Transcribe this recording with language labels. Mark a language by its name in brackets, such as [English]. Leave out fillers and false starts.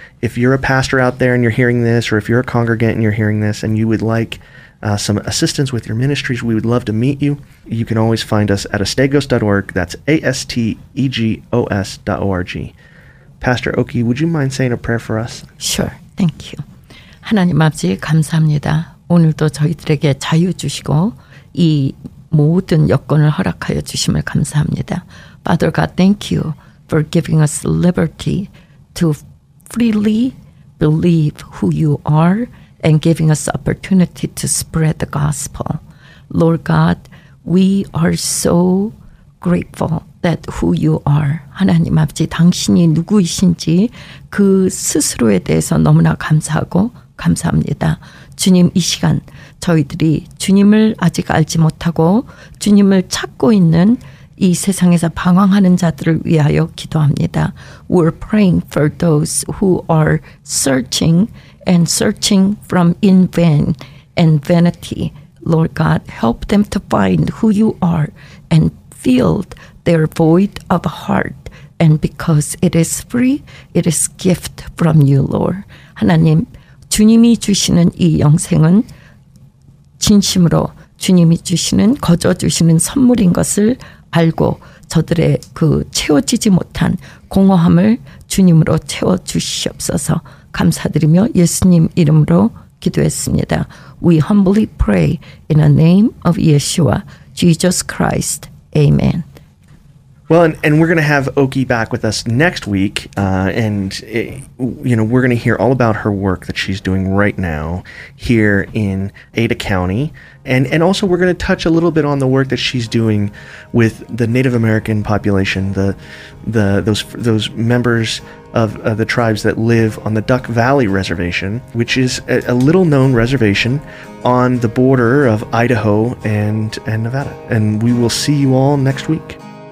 [English] If you're a pastor out there and you're hearing this, or if you're a congregant and you're hearing this, and you would like some assistance with your ministries, we would love to meet you. You can always find us at Estegos.org. That's Estegos.org. Pastor Okee, would you mind saying a prayer for us? Sure. Thank you. [Korean] 하나님 앞에 감사합니다. 오늘도 저희들에게 자유 주시고 이 모든 여건을 허락하여 주심을 감사합니다. [English] Father God, thank you for giving us liberty to freely believe who you are and giving us opportunity to spread the gospel. Lord God, we are so grateful that who you are. [Korean] 하나님 아버지, 당신이 누구이신지 그 스스로에 대해서 너무나 감사하고 감사합니다. 주님, 이 시간 저희들이 주님을 아직 알지 못하고 주님을 찾고 있는 이 세상에서 방황하는 자들을 위하여 기도합니다. [English] We're praying for those who are searching and searching from in vain and vanity. Lord God, help them to find who you are and filled their void of heart. And because it is free, it is gift from you, Lord. [Korean] 하나님, 주님이 주시는 이 영생은 진심으로 주님이 주시는, 거저 주시는 선물인 것을 알고 저들의 그 채워지지 못한 공허함을 주님으로 채워주시옵소서. 감사드리며 예수님 이름으로 기도했습니다. [English] We humbly pray in the name of Yeshua, Jesus Christ. Amen. Well, and we're going to have Okee back with us next week, we're going to hear all about her work that she's doing right now here in Ada County, and also we're going to touch a little bit on the work that she's doing with the Native American population, those members of the tribes that live on the Duck Valley Reservation, which is a little known reservation on the border of Idaho and Nevada. And we will see you all next week.